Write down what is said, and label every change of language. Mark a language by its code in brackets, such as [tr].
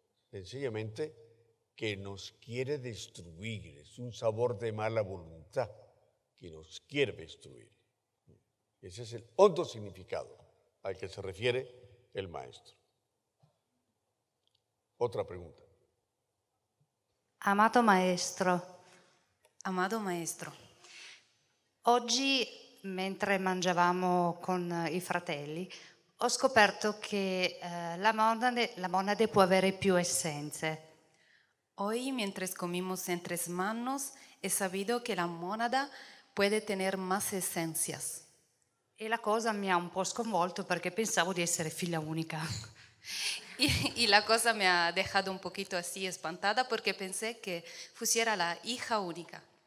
[es] Sencillamente, que nos quiere destruir. Es un sabor de mala voluntad que nos quiere destruir. Ese es el hondo significado al que se refiere el maestro. Otra pregunta. [it] Amado maestro, oggi mentre mangiavamo con i fratelli ho scoperto che la monade può avere più essenze. [es] Hoy mientras comimos entre manos he sabido que la monada puede tener más esencias. [it] E la cosa mi ha un po' sconvolto perché pensavo di essere figlia unica. [es] Y la cosa me ha dejado un poquito así espantada porque pensé que fuera la hija única.